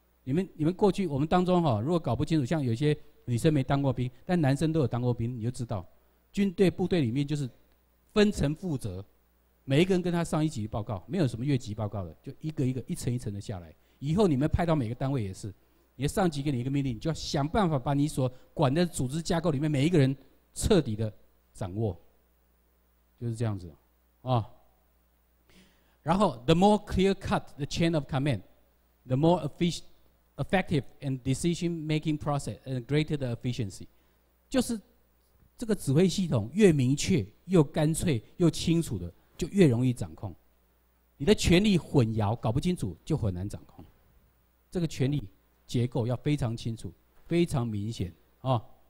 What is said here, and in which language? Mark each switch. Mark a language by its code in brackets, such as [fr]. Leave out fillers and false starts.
[zh] 你们过去我们当中哈、哦，如果搞不清楚，像有些女生没当过兵，但男生都有当过兵，你就知道，军队部队里面就是分层负责，每一个人跟他上一级报告，没有什么越级报告的，就一个一个一层一层的下来。以后你们派到每个单位也是，你的上级给你一个命令，你就要想办法把你所管的组织架构里面每一个人彻底的掌握，就是这样子，啊、哦。然后 [en] ，the more clear-cut the chain of command, the more effective and decision-making process, and greater the efficiency. [zh] 就是这个指挥系统越明确、又干脆、又清楚的，就越容易掌控。你的权力混淆、搞不清楚，就很难掌控。这个权力结构要非常清楚、非常明显啊、哦。